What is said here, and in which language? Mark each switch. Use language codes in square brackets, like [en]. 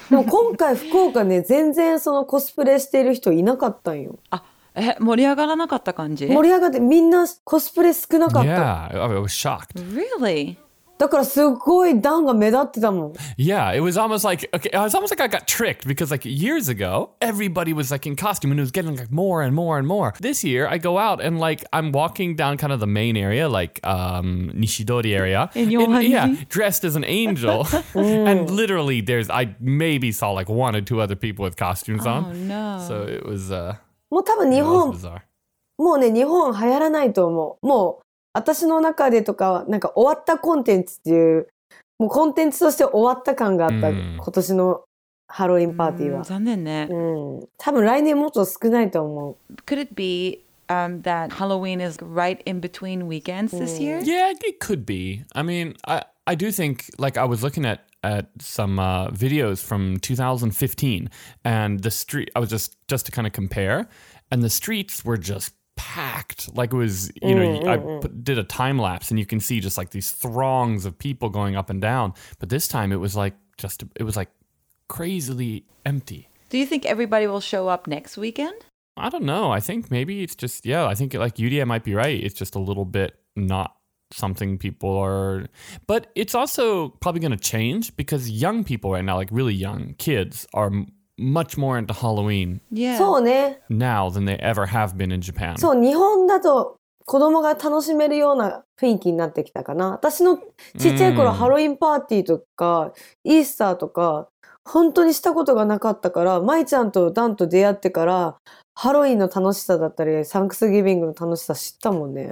[ja] でも今回福岡ね、全然そのコスプレしている人いなかったんよ。あ、え、盛り上がらなかった感じ？盛り上がって、みんなコスプレ少なかった。 [en] Yeah, I was shocked. Really? [ja] だからすごいダンが目立ってたもん。 [en] Yeah, it was almost like, okay, it was almost like I got tricked because like years ago, everybody was like in costume and it was getting like more and more and more. This year, I go out and like I'm walking down kind of the main area, like Nishidori area. Yeah, dressed as an angel. And literally, I maybe saw like one or two other people with costumes on. Oh, no. So it was, [ja] もう多分日本、もうね、日本流行らないと思う。もう。私の中でとかはなんか終わったコンテンツっていう、もうコンテンツとして終わった感があった、今年のハロウィンパーティーは。残念ね。多分来年もっと少ないと思う。 [en] Could it be, that Halloween is right in between weekends this year? Yeah, it could be. I mean, I do think, like, I was looking at some videos from 2015 and the street, I was just to kind of compare, and the streets were just packed. Like it was, you know, I did a time lapse and you can see just like these throngs of people going up and down. But this time it was like just, it was like crazily empty. Do you think everybody will show up next weekend? I don't know. I think maybe it's just, yeah, I think like UDM might be right. It's just a little bit not something people are, but it's also probably going to change because young people right now, like really young kids, are much more into Halloween. Yeah. [ja] そうね。 [en] Now than they ever have been in Japan. [ja] そう、日本だと子供が楽しめるような雰囲気になってきたかな。私のちっちゃい頃ハロウィンパーティーとかイースターとか本当にしたことがなかったから、マイちゃんとダンと出会ってからハロウィンの楽しさだったりサンクスギビングの楽しさ知ったもんね。